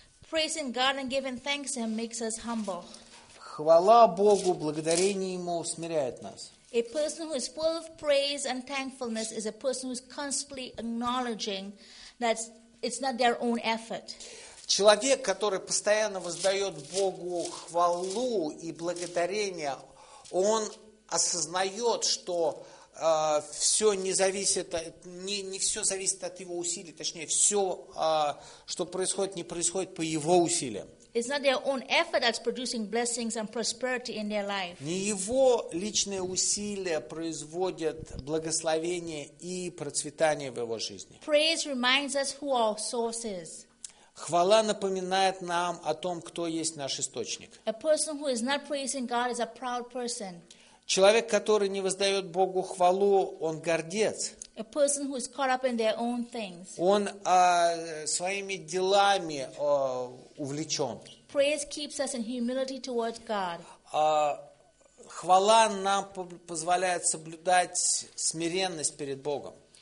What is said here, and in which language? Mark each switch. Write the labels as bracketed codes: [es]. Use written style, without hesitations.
[en] Praising God and giving thanks to Him makes us humble. [ru] Хвала Богу, благодарение Ему смиряет нас. [en] A person who is full of praise and thankfulness is a person who is constantly acknowledging that it's not their own effort. [ru] Человек, который постоянно воздает Богу хвалу и благодарение, он осознает, что все не зависит, не все зависит от его усилий, точнее, все, что происходит, не происходит по его усилиям. [en] It's not their own effort that's producing blessings and prosperity in their life. [ru] Не его личные усилия производят благословение и процветание в его жизни. [en] Praise reminds us who our source is. [ru] Хвала напоминает нам о том, кто есть наш источник. [en] A person who is not praising God is a proud person. [ru] Человек, который не воздает Богу хвалу, он гордец. [en] A person who is caught up in their own things. [ru] Он своими делами увлечен. [en] Praise keeps us in humility towards God. [ru] Хвала нам позволяет соблюдать смиренность перед Богом.